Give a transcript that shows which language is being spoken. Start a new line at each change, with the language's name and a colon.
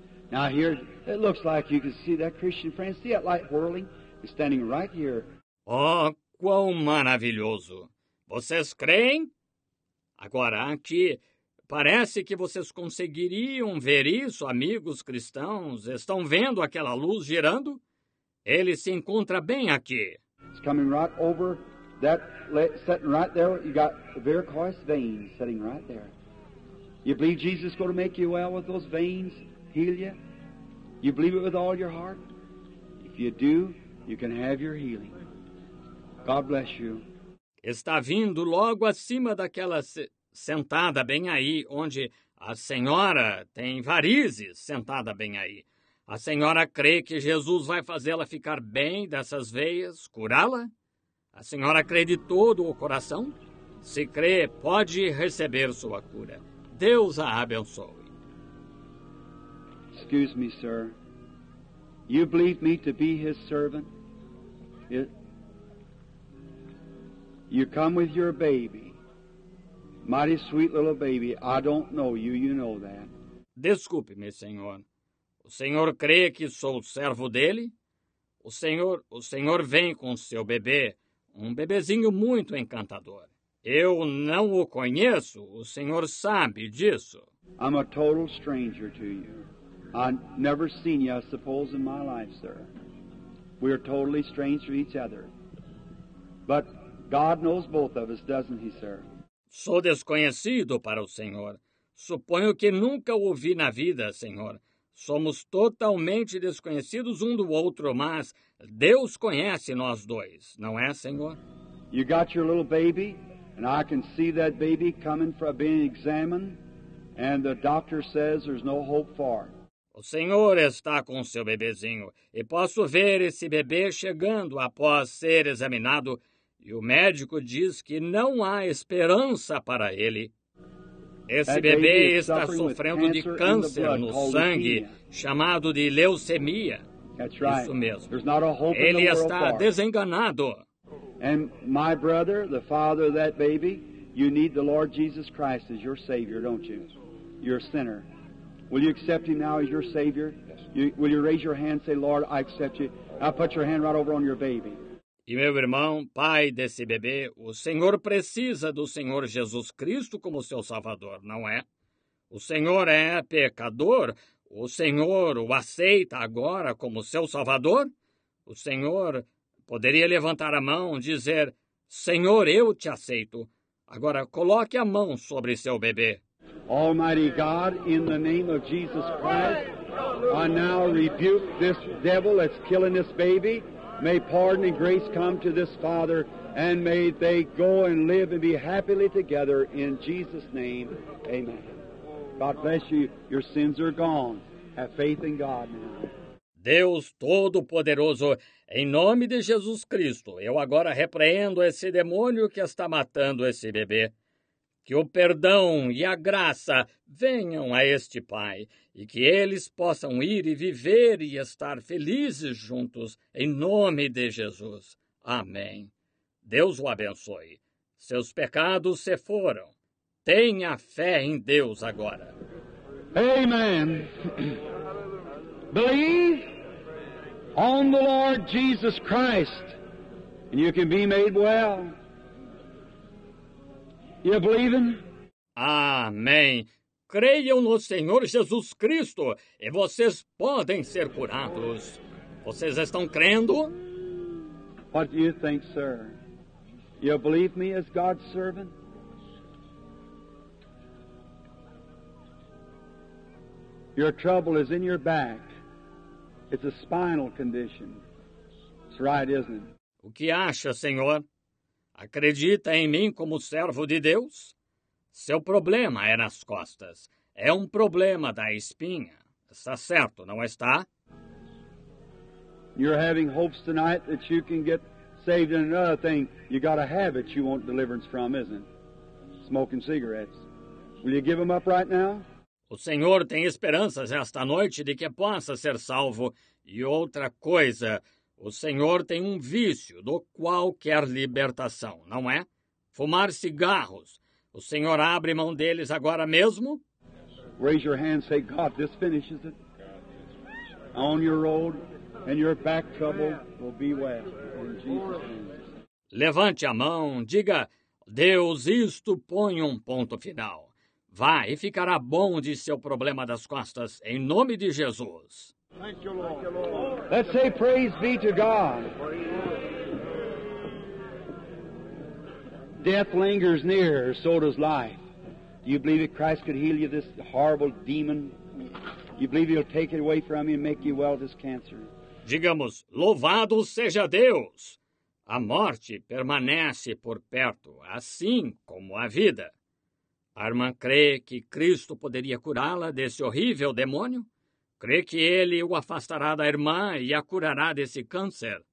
English: Now here, it looks like you can see that Christian friend. See that light whirling? He's standing right here.
Portuguese: Oh, quão maravilhoso! Vocês creem? Agora aqui, parece que vocês conseguiriam ver isso, amigos cristãos. Estão vendo aquela luz girando? Ele se encontra bem aqui.
English: It's coming right over that, sitting right there. You got the varicose veins sitting right there. You believe Jesus is going to make you well with those veins? Heal you? You believe it with all your heart? If you do, you can have your healing. God bless you.
Portuguese: Está vindo logo acima daquela sentada bem aí, onde a senhora tem varizes sentada bem aí. A senhora crê que Jesus vai fazê-la ficar bem dessas veias, curá-la? A senhora crê de todo o coração? Se crê, pode receber sua cura. Deus a abençoe.
English: Excuse me, sir. You believe me to be his servant? You come with your baby. Mighty sweet little baby. I don't know you. You know that.
Portuguese: Desculpe-me, senhor. O senhor crê que sou servo dele? O senhor vem com seu bebê, um bebezinho muito encantador. Eu não o conheço. O senhor sabe disso.
English: I'm a total stranger to you. I've never seen you, I suppose, in my life, sir. We are totally strange to each other. But God knows both of us, doesn't he, sir?
Portuguese: Sou desconhecido para o senhor. Suponho que nunca o vi na vida, senhor. Somos totalmente desconhecidos um do outro, mas Deus conhece nós dois, não é, senhor?
English: You got your little baby, and I can see that baby coming for being examined, and the doctor says there's no hope for it.
Portuguese: O senhor está com seu bebezinho e posso ver esse bebê chegando após ser examinado e o médico diz que não há esperança para ele. Esse bebê está sofrendo de câncer no sangue, chamado de leucemia. Isso mesmo. Ele está desenganado. E meu irmão, o pai desse bebê, você precisa do Senhor Jesus Cristo como seu Salvador, não é? Você é um pecador.
English: Will you accept him now as your Savior? Yes. Will you raise your hand and say, Lord, I accept you. I'll put your hand right over on your baby.
Portuguese: E meu irmão, pai desse bebê, o Senhor precisa do Senhor Jesus Cristo como seu Salvador, não é? O Senhor é pecador? O Senhor o aceita agora como seu Salvador? O Senhor poderia levantar a mão e dizer, Senhor, eu te aceito. Agora coloque a mão sobre seu bebê.
English: Almighty God, in the name of Jesus Christ, I now rebuke this devil that's killing this baby. May pardon and grace come to this father, and may they go and live and be happily together in Jesus' name. Amen. God bless you. Your sins are gone. Have faith in God now.
Portuguese: Deus Todo-Poderoso, em nome de Jesus Cristo, eu agora repreendo esse demônio que está matando esse bebê. Que o perdão e a graça venham a este pai e que eles possam ir e viver e estar felizes juntos em nome de Jesus. Amém. Deus o abençoe. Seus pecados se foram. Tenha fé em Deus agora.
English: Amen. Believe on the Lord Jesus Christ and you can be made well. You believe in?
Portuguese: Amém. Creiam no Senhor Jesus Cristo e vocês podem ser curados. Vocês estão crendo?
English: What do you think, sir? You believe me as God's servant? Your trouble is in your back. It's a spinal condition. It's right, isn't it?
Portuguese: O que acha, Senhor? Acredita em mim como servo de Deus? Seu problema é nas costas. É um problema da espinha. Está certo, não está?
English: You're having hopes tonight that you can get saved in another thing. You got a habit you want deliverance from, isn't it? Smoking cigarettes. Will you give them up right now?
Portuguese: O Senhor tem esperanças esta noite de que possa ser salvo. E outra coisa, o Senhor tem um vício do qual quer libertação, não é? Fumar cigarros. O Senhor abre mão deles agora mesmo?
English: Raise your hand, say, God, this finishes it. On your road, and your back trouble will be well. In Jesus' name.
Portuguese: Levante a mão, diga, Deus, isto põe um ponto final. Vá e ficará bom de seu problema das costas, em nome de Jesus.
English: Thank you, Lord. Let's say praise be to God. Death lingers near, so does life. Do you believe that Christ could heal you this horrible demon? Do you believe he'll take it away from you and make you well this cancer?
Portuguese: Digamos, louvado seja Deus! A morte permanece por perto, assim como a vida. A irmã crê que Cristo poderia curá-la desse horrível demônio? Crê que ele o afastará da irmã e a curará desse câncer?